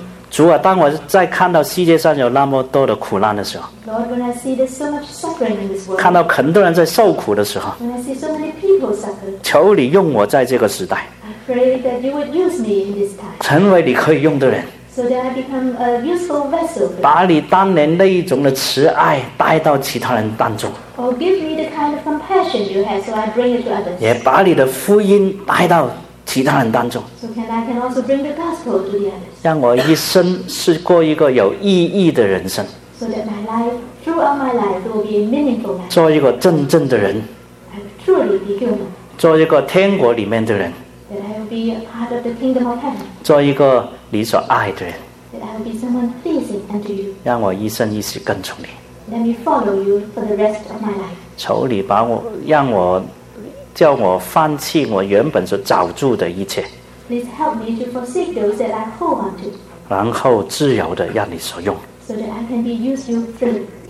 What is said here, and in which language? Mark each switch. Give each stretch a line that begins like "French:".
Chinese: 主啊，当我在看到世界上有那么多的苦难的时候，
English: Lord, when I see so much suffering in this world,
Chinese: 看到很多人在受苦的时候，
English: when I see so many people suffering,
Chinese: 求你用我在这个时代，
English: I pray that you would use me in this time,
Chinese: 成为你可以用的人，
English: so that So that I become a useful vessel.
Chinese: 把你当年那一种的慈爱带到其他人当中。
English: Or give me the kind of compassion you have, so I bring it to others.
Chinese: 也把你的福音带到其他人当中。
English: So I can also bring the gospel to the others.
Chinese: 让我一生是过一个有意义的人生。
English: So that my life, throughout my life, will be a meaningful life.
Chinese: 做一个真正的人。
English: I truly be human.
Chinese: 做一个天国里面的人。
English: Be a part of the kingdom of heaven.
Chinese: 做一个你所爱的人。
English: That I will be someone pleasing unto you.
Chinese: 让我一生一世跟从你。
English: Let me follow you for the rest of my life.
Chinese: 求你把我，让我，叫我放弃我原本所找住的一切。
English: Please help me to forsake those that I hold onto.
Chinese: 然后自由的让你所用。
English: So that I can be used to you freely.